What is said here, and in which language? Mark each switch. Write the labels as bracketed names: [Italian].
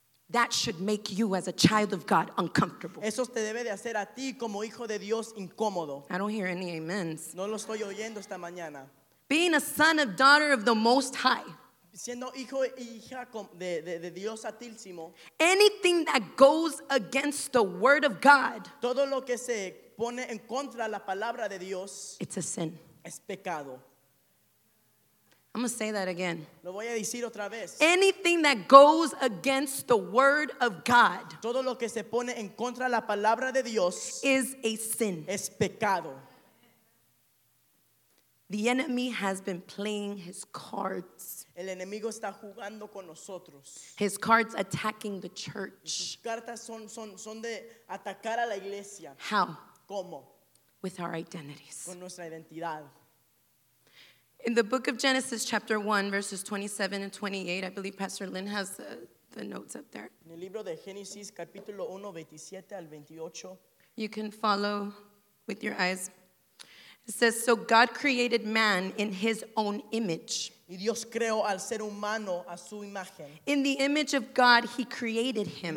[English] That should make you as a child of God uncomfortable. [Spanish] Eso te debe de hacer a ti como hijo de Dios incómodo. [English] I don't hear any amens. [Spanish] No lo estoy oyendo esta mañana. [English] Being a son or daughter of the Most High, [Spanish] siendo hijo e hija de Dios Altísimo, [English] anything that goes against the word of God, [Spanish] todo lo que se pone en contra la palabra de Dios, [English] it's a sin. [Spanish] Es pecado. [English] I'm going to say that again. [Spanish] Lo voy a decir otra vez. [English] Anything that goes against the word of God, [Spanish] todo lo que se pone en contra la palabra de Dios, [English] is a sin. [Spanish] Es pecado. [English] The enemy has been playing his cards. [Spanish] El enemigo está jugando con nosotros. [English] His cards attacking the church. [Spanish] Sus cartas son de atacar a la iglesia. [English] How? [Spanish] ¿Cómo? [English] With our identities. [Spanish] Con nuestra identidad. [English] In the book of Genesis, chapter 1, verses 27 and 28, I believe Pastor Lynn has the notes up there. [Spanish] En el libro de Génesis, capítulo 1, 27 al 28. [English] You can follow with your eyes. It says, so God created man in his own image. [Spanish] Y Dios creó al ser humano a su imagen. [English] In the image of God, he created him.